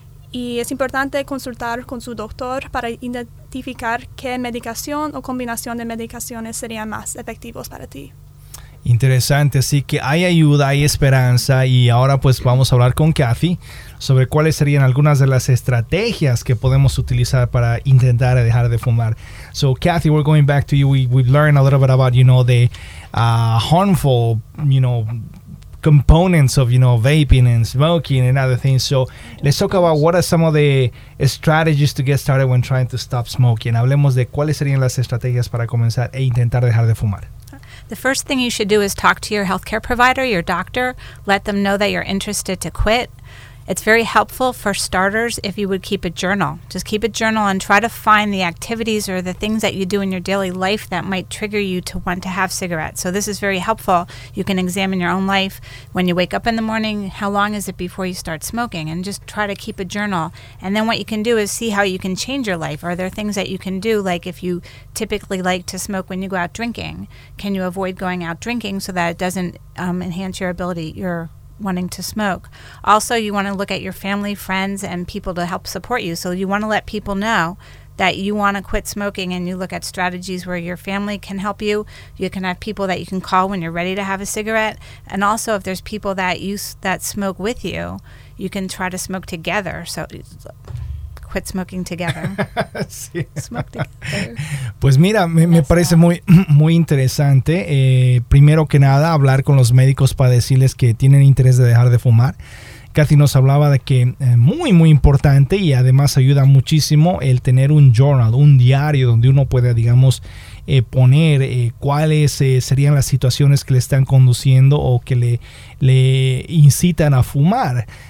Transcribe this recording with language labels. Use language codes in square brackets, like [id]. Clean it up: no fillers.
[es] Y es importante consultar con su doctor para identificar qué medicación o combinación de medicaciones serían más efectivos para ti. Interesante. Así que hay ayuda, hay esperanza. Y ahora pues vamos a hablar con Kathy sobre cuáles serían algunas de las estrategias que podemos utilizar para intentar dejar de fumar. [en] So Kathy, we're going back to you. We've learned a little bit about, you know, the harmful, you know, components of, you know, vaping and smoking and other things. So let's talk about what are some of the strategies to get started when trying to stop smoking. Hablemos de cuáles serían las estrategias para comenzar e intentar dejar de fumar. The first thing you should do is talk to your healthcare provider, your doctor. Let them know that you're interested to quit. It's very helpful for starters if you would keep a journal. Just keep a journal and try to find the activities or the things that you do in your daily life that might trigger you to want to have cigarettes. So this is very helpful. You can examine your own life when you wake up in the morning. How long is it before you start smoking? And just try to keep a journal. And then what you can do is see how you can change your life. Are there things that you can do, like if you typically like to smoke when you go out drinking, can you avoid going out drinking so that it doesn't enhance your ability, your wanting to smoke? Also, you want to look at your family, friends, and people to help support you. So you want to let people know that you want to quit smoking and you look at strategies where your family can help you, you can have people that you can call when you're ready to have a cigarette. And also, if there's people that you that smoke with you, you can try to smoke together. So quit smoking together. [es] Sí. [en] Smoke together. [es] Pues mira, me parece muy, muy interesante. Primero que nada, hablar con los médicos para decirles que tienen interés de dejar de fumar. Kathy nos hablaba de que muy, muy importante y además ayuda muchísimo el tener un journal, un diario donde uno pueda, digamos, poner cuáles serían las situaciones que le están conduciendo o que le incitan a fumar.